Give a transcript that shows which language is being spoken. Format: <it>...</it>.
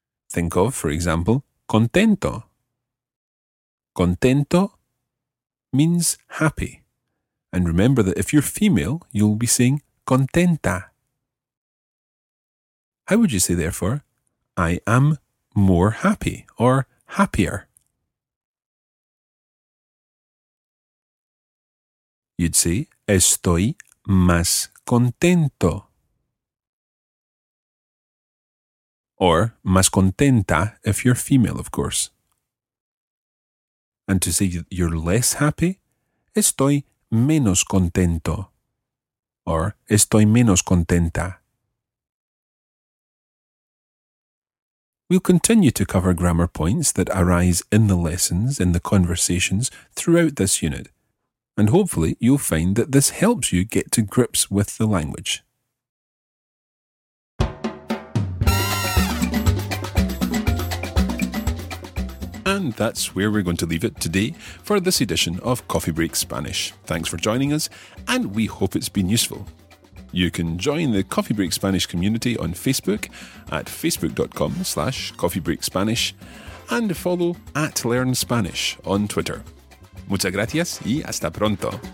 <en>Think of, for example, contento. Contento means happy. And remember that if you're female, you'll be saying contenta. How would you say, therefore, I am more happy or happier? You'd say,</en> <es>estoy más contento.</es> <en>Or,</en> <es>más contenta</es> <en>if you're female, of course. And to say you're less happy,</en> <es>estoy menos contento. Or, estoy menos contenta.</es> <en>We'll continue to cover grammar points that arise in the lessons, in the conversations, throughout this unit. And hopefully you'll find that this helps you get to grips with the language. And that's where we're going to leave it today for this edition of Coffee Break Spanish. Thanks for joining us, and we hope it's been useful. You can join the Coffee Break Spanish community on Facebook at facebook.com/coffeebreakspanish and follow @LearnSpanish on Twitter.</en> <es>Muchas gracias y hasta pronto.</es>